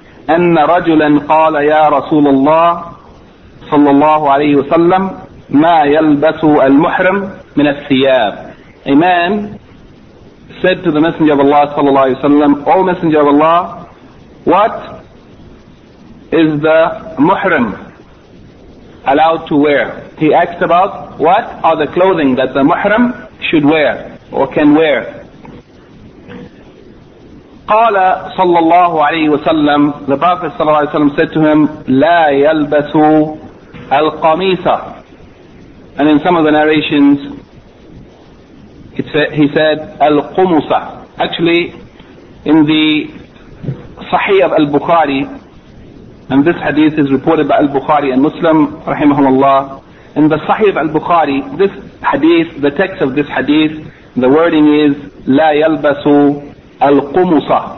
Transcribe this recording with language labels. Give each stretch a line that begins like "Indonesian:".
Arabic: أن رجلا قال يا رسول الله صلى الله عليه وسلم ما يلبس المحرم من الثياب.
English: A man said to the Messenger of Allah صلى الله عليه وسلم, O Messenger of Allah, what is the muhrim allowed to wear? He asked about what are the clothing that the muhrim should wear or can wear.
Arabic: قال صلى الله عليه وسلم,
English: the Prophet صلى الله عليه وسلم said to him,
Arabic: لا يلبس القميص.
English: And in some of the narrations, he said القمص. Actually, in the Sahih of Al-Bukhari, and this hadith is reported by Al-Bukhari and Muslim, رحمهم الله, in the Sahih of Al-Bukhari, this hadith, the text of this hadith, the wording is
Arabic: لا يلبس القمص.